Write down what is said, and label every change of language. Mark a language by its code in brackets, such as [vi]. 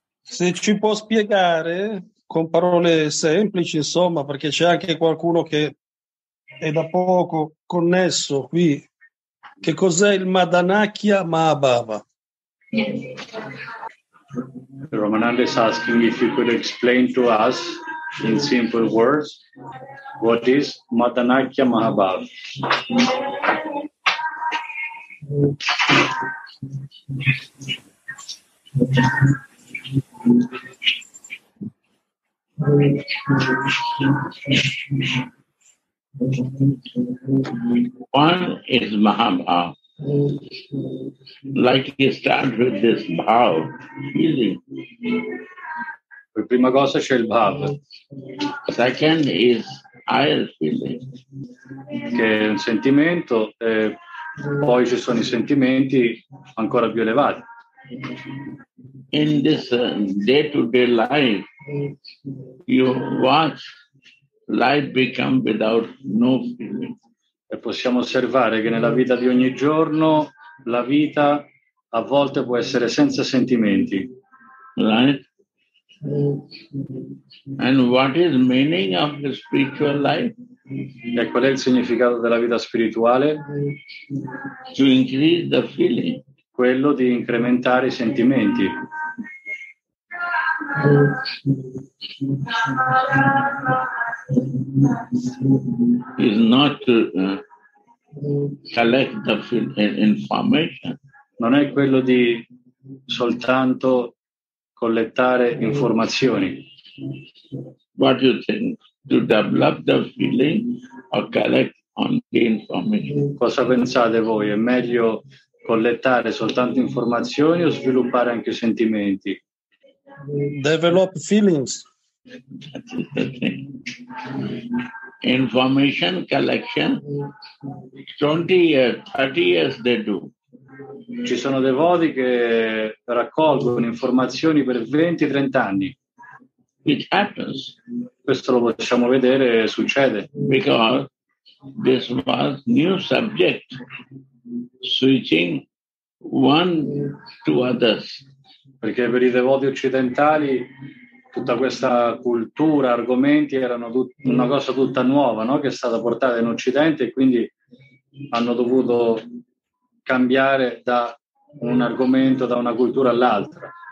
[it] Se ci può spiegare con parole semplici, insomma, perché c'è anche qualcuno che è da poco connesso qui, che cos'è il Madanakya Mahabhava? [en] Yes. Ramananda is asking if you could explain to us in simple words what is Madanakya Mahabhava. One is Mahabhava. Like you start with this bhav, feeling. [it] Per prima cosa c'è il bhav. [en] Second is I feeling. [it] Che è un sentimento, e poi ci sono i sentimenti ancora più elevati. [en] In this day-to-day life, you watch life become without no feeling. [it] E possiamo osservare che nella vita di ogni giorno la vita a volte può essere senza sentimenti. [en] Right? And what is meaning of the spiritual life? [it] E qual è il significato della vita spirituale? [en] To increase the feeling. [it] Quello di incrementare i sentimenti. [en] Is not to collect the information. [it] Non è quello di soltanto collettare informazioni. [en] What do you think? To develop the feeling or collect only information? [it] Cosa pensate voi? È meglio collettare soltanto informazioni o sviluppare anche sentimenti? [en] Develop feelings. Information collection 20 years, 30 years they do. [it] Ci sono devoti che raccolgono informazioni per 20-30 anni. [en] It happens. [it] Questo lo possiamo vedere, succede. [en] Because this was new subject, switching one to others. [it] Perché per i devoti occidentali tutta questa cultura, argomenti, erano una cosa tutta nuova, no? Che è stata portata in Occidente e quindi hanno dovuto cambiare da un argomento, da una cultura all'altra.